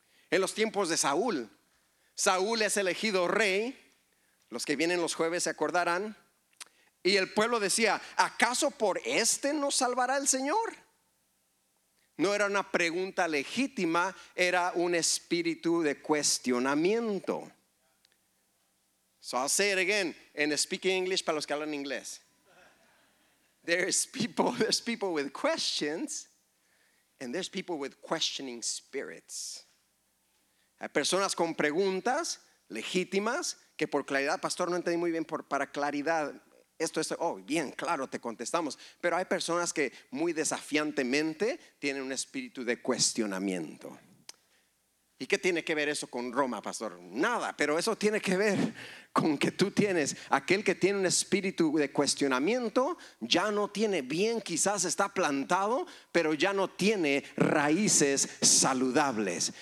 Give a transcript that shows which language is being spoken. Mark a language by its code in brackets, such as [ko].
[es] En los tiempos de Saúl, Saúl es elegido rey, los que vienen los jueves se acordarán, y el pueblo decía: ¿acaso por este nos salvará el Señor? No era una pregunta legítima, era un espíritu de cuestionamiento. [en] So I'll say it again, in speaking English, [es] para los que hablan inglés. [en] There's people with questions, and there's people with questioning spirits. [es] Hay personas con preguntas legítimas que por claridad, pastor, no entendí muy bien, para claridad, esto, oh, bien, claro, te contestamos. Pero hay personas que muy desafiantemente tienen un espíritu de cuestionamiento. ¿Y qué tiene que ver eso con Roma, pastor? Nada, pero eso tiene que ver con que tú tienes, aquel que tiene un espíritu de cuestionamiento, ya no tiene bien, quizás está plantado, pero ya no tiene raíces saludables.